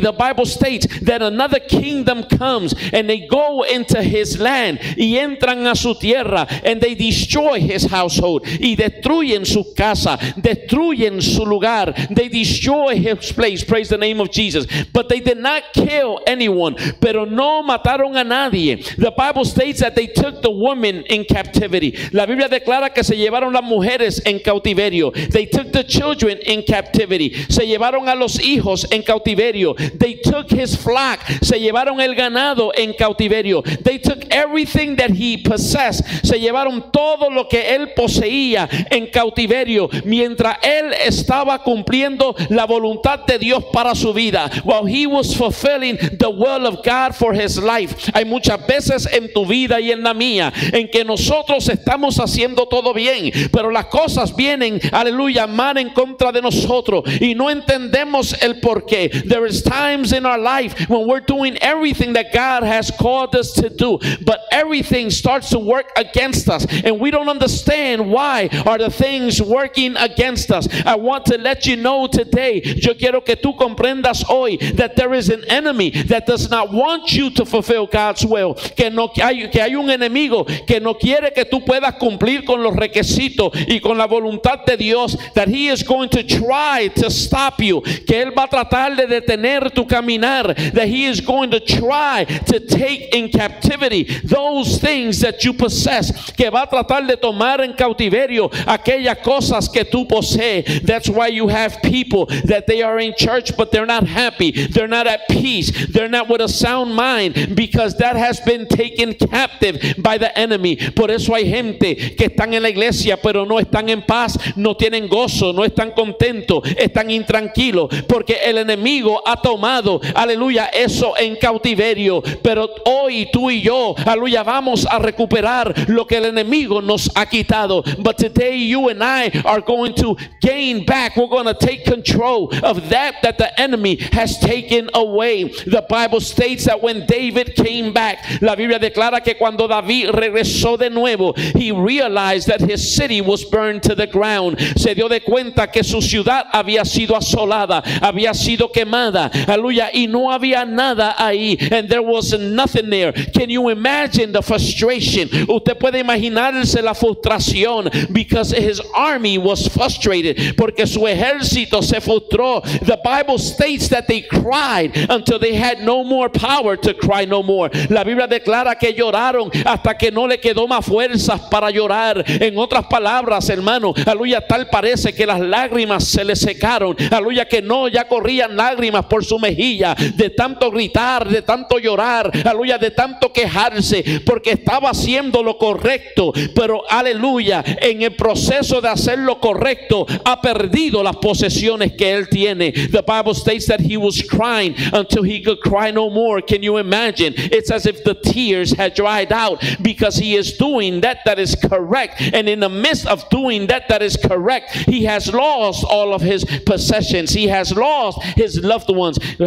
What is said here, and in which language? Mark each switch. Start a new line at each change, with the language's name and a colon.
English: The Bible states that another kingdom comes, and they go into his land,
Spanish: y entran a su tierra,
English: and they destroy his household,
Spanish: y destruyen su casa, destruyen su lugar,
English: they destroy his place, praise the name of Jesus, but they did not kill anyone,
Spanish: pero no mataron a nadie.
English: The Bible states that they took the women in captivity.
Spanish: La Biblia declara que se llevaron las mujeres en cautiverio.
English: They took the children in captivity.
Spanish: Se llevaron a los hijos en cautiverio.
English: They took his flock.
Spanish: Se llevaron el ganado en cautiverio.
English: They took everything that he possessed.
Spanish: Se llevaron todo lo que él poseía en cautiverio, mientras él estaba cumpliendo la voluntad de Dios para su vida.
English: While he was fulfilling the will of God for his life.
Spanish: Hay muchas veces en tu vida y en la mía en que nosotros estamos haciendo todo bien, pero las cosas vienen, aleluya, mal en contra de nosotros y no entendemos el porqué.
English: There is times in our life when we're doing everything that God has called us to do, but everything starts to work against us, and we don't understand why are the things working against us. I want to let you know today,
Spanish: yo quiero que tú comprendas hoy,
English: that there is an enemy that does not want you to fulfill God's will,
Spanish: que hay un enemigo que no quiere que tú puedas cumplir con los requisitos y con la voluntad de Dios.
English: That he is going to try to stop you,
Spanish: que él va a tratar de detener tu caminar.
English: That he is going to try to take in captivity those things that you possess,
Spanish: que va a tratar de tomar en cautiverio aquellas cosas que tú posees.
English: That's why you have people that they are in church but they're not happy, they're not at peace, they're not with a sound mind, because that has been taken captive by the enemy.
Spanish: Por eso hay gente que están en la iglesia pero no están en paz, no tienen gozo, no están contentos, están intranquilos, porque el enemigo ha tomado, aleluya, eso en cautiverio. Pero hoy tú y yo, aleluya, vamos a recuperar lo que el enemigo nos ha quitado.
English: But today you and I are going to gain back, we're going to take control of that the enemy has taken away. The Bible states that when David came back,
Spanish: la Biblia declara que cuando David regresó de nuevo,
English: he realized that his city was burned to the ground.
Spanish: Se dio de cuenta que su ciudad había sido asolada, había sido quemada, aleluya, y no había nada ahí,
English: and there was nothing there. Can you imagine the frustration?
Spanish: Usted puede imaginarse la frustración,
English: because his army was frustrated,
Spanish: porque su ejército se frustró.
English: The Bible states that they cried until they had no more power to cry no more.
Spanish: La Biblia declara que lloraron hasta que no le quedó más fuerzas para llorar. En otras palabras, hermano, aleluya, tal parece que las lágrimas se le secaron, aleluya, que no, ya corrían lágrimas por su mejilla de tanto gritar, de tanto llorar, aleluya, de tanto quejarse, porque estaba haciendo lo correcto, pero aleluya, en el proceso de hacer lo correcto, ha perdido las posesiones que él tiene.
English: The Bible states that he was crying until he could cry no more. Can you imagine? It's as if the tears had dried out, because he is doing that is correct, and in the midst of doing that is correct, he has lost all of his possessions, he has lost his loved ones.